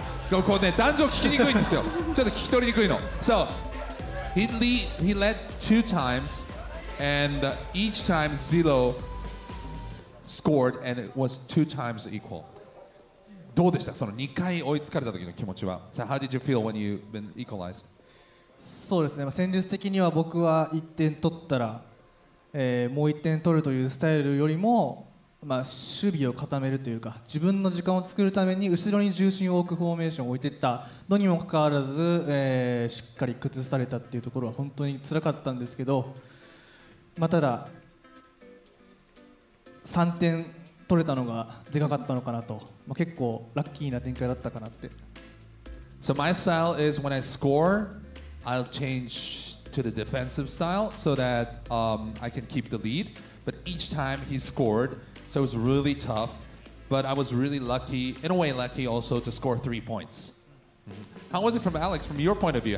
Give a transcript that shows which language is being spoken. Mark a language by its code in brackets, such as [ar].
[ja] ここね、男女聞きにくいんですよ。ちょっと聞き取りにくいの。 [en] So, he led two times, and each time Zero scored, and it was two times equal. [ja] どうでした?その2回追いつかれた時の気持ちは? [en] So how did you feel when you've been equalized? [ja] そうですね、戦術的には僕は1点取ったら、もう1点取るというスタイルよりも、 まあ、守備を固めるというか、自分の時間を作るために後ろに重心を置くフォーメーションを置いていったのにもかかわらず、しっかり崩されたっていうところは本当に辛かったんですけど、まあ、ただ3点取れたのがでかかったのかなと、まあ、結構ラッキーな展開だったかなって。So [en] my style is when I score, I'll change to the defensive style so that I can keep the lead. But each time he scored, so it was really tough, but I was really lucky, in a way lucky also, to score 3 points. Mm-hmm. How was it from Alex, from your point of view?